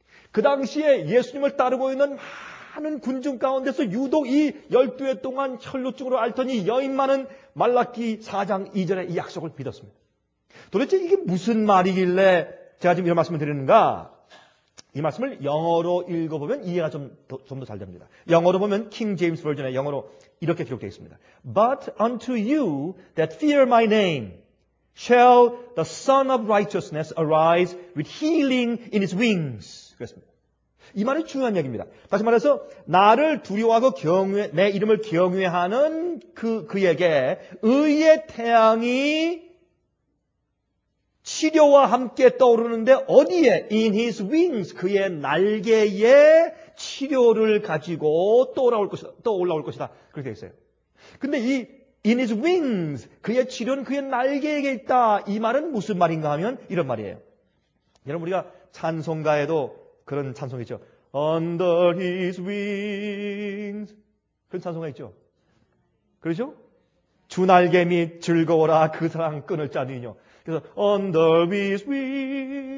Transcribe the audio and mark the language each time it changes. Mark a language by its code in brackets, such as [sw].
[ko] 그 당시에 예수님을 따르고 있는 많은 군중 가운데서 유독 이 12회 동안 혈루증으로 앓더니 여인만은 말라키 4장 2절에 이 약속을 믿었습니다. 도대체 이게 무슨 말이길래 제가 지금 이런 말씀을 드리는가? 이 말씀을 영어로 읽어보면 이해가 좀 더 잘 됩니다. 영어로 보면 킹 제임스 버전에 영어로 이렇게 기록되어 있습니다. [en] But unto you that fear my name shall the Son of Righteousness arise with healing in his wings. [ko] 그랬습니다. 이 말이 중요한 얘기입니다. 다시 말해서 나를 두려워하고 내 이름을 경외하는 그에게 의의 태양이 치료와 함께 떠오르는데 어디에? In his wings, 그의 날개에 치료를 가지고 떠올라올 것이다. 그렇게 되어 있어요. 근데 이 in his wings, 그의 치료는 그의 날개에게 있다. 이 말은 무슨 말인가 하면 이런 말이에요. 여러분, 우리가 찬송가에도 그런 찬송이 있죠. Under his wings. 그런 찬송이 있죠. 그렇죠? 주 날개 및 즐거워라 그 사랑 끊을 자 누이뇨. 그래서 Under his wings.